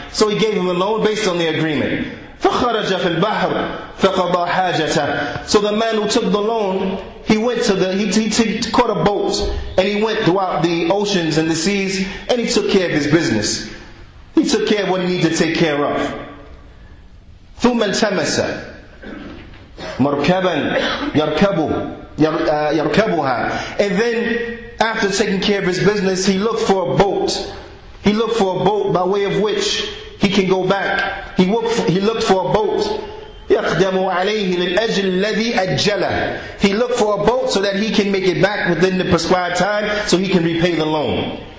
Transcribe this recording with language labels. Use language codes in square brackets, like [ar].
[en] So he gave him a loan based on the agreement. [ar] فَخَرَجَ فِي الْبَحْرِ فَقَضَى حَاجَتَهُ [en] So the man who took the loan, he went to he caught a boat, and he went throughout the oceans and the seas, and he took care of his business. He took care of what he needed to take care of. [ar] ثُمَّ الْتَمَسَ مَرْكَبًا يَرْكَبُهَا [en] And then after taking care of his business, he looked for a boat. He looked for a boat by way of which he can go back. He looked for a boat. [ar] يَخْدَمُ عَلَيْهِ لِلْأَجْلِ الَّذِي أَجَّلَهُ. [en] He looked for a boat so that he can make it back within the prescribed time so he can repay the loan.